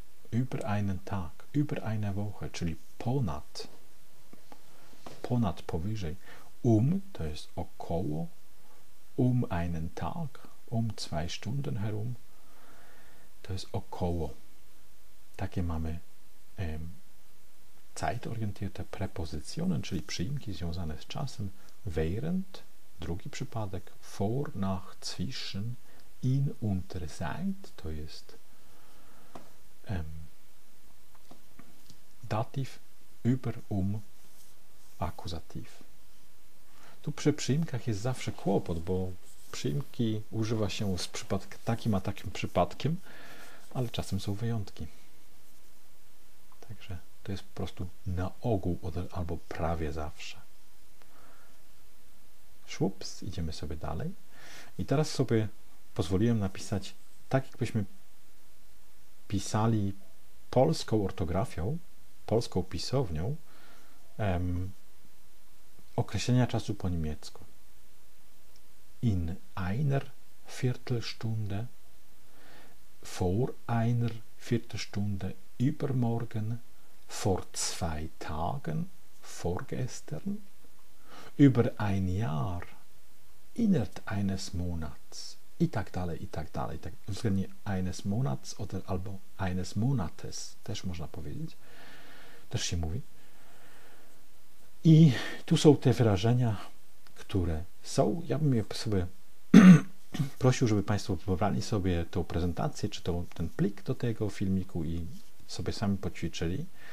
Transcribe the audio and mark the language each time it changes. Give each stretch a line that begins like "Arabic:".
German: Über einen Tag, über eine Woche,
Polish: czyli ponad. Ponad, powyżej.
German: Um,
Polish: to jest około.
German: Um einen Tag, um zwei Stunden herum.
Polish: To jest około. Takie mamy zeitorientierte Präpositionen, czyli przyimki związane z czasem. Während, drugi przypadek, vor, nach, zwischen, in, unter, seit, to jest dativ, über, akuzativ. Tu przy przyimkach jest zawsze kłopot, bo przyimki używa się z takim a takim przypadkiem, ale czasem są wyjątki. Także to jest po prostu na ogół albo prawie zawsze. Szłups, idziemy sobie dalej. I teraz sobie pozwoliłem napisać tak, jakbyśmy pisali polską ortografią, polską pisownią, określenia czasu po niemiecku.
German: In einer Viertelstunde, vor einer Viertelstunde, übermorgen, vor zwei Tagen, vorgestern, über ein Jahr, innerhalb eines Monats,
Polish: i tak dalej, i tak dalej. Tak, względnie eines Monats albo eines Monates też można powiedzieć. Też się mówi. I tu są te wyrażenia, które są. Ja bym je sobie prosił, żeby Państwo wybrali sobie tą prezentację, czy ten plik do tego filmiku i sobie sami poćwiczyli.